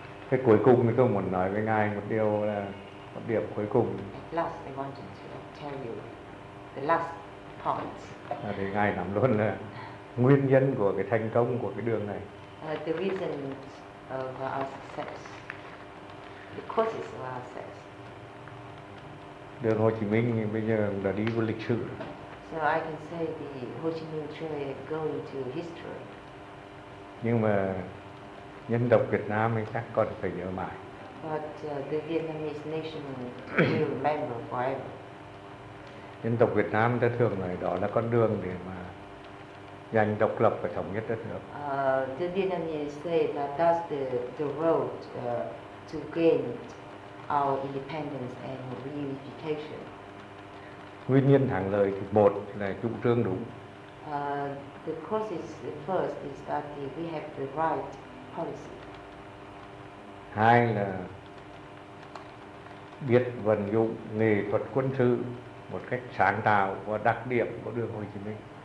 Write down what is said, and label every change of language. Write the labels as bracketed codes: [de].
[vi] Cái cuối cùng thì tôi muốn nói với ngài một điều là một điểm cuối cùng. [en] Last, I wanted to tell you the last point. [vi] Thì ngài nắm luôn là nguyên nhân của cái thành công của cái đường này. [en] The reason of our success, the causes of our success. [vi] Đường Hồ Chí Minh bây giờ đã đi vào lịch sử. [en] So I can say the Ho Chi Minh Trail going to history. [vi] Nhưng mà dân tộc Việt Nam thì chắc còn phải nhớ mãi. [en] But the Vietnamese nation will remember forever. [vi] Dân tộc Việt Nam ta thường nói đó là con đường để mà giành độc lập và thống nhất đất nước. [en] The Vietnamese say that that's the road to gain our independence and reunification. [vi] Nguyên nhân thắng lợi thì một là chủ trương đúng. [en] The cause is the first is that we have the right policy. [vi] Hai là biết vận dụng nghệ thuật quân sự một cách sáng tạo và đặc điểm của đường Hồ Chí Minh.